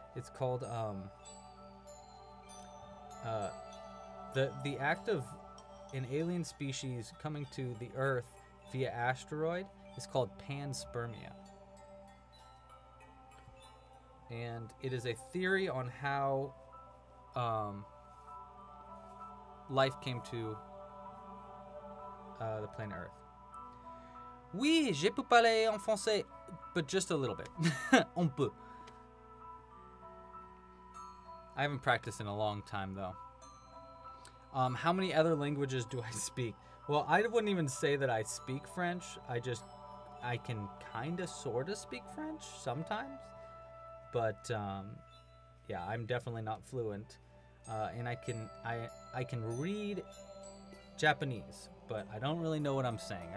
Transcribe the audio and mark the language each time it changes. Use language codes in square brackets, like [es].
[en] It's called, the act of an alien species coming to the Earth via asteroid is called panspermia. And it is a theory on how life came to the planet Earth. [fr] Oui, je peux parler en français, [en] but just a little bit. [fr] Un peu. [en] I haven't practiced in a long time, though. How many other languages do I speak? Well, I wouldn't even say that I speak French. I can kind of, sort of speak French sometimes. But, yeah, I'm definitely not fluent, and I can read Japanese, but I don't really know what I'm saying.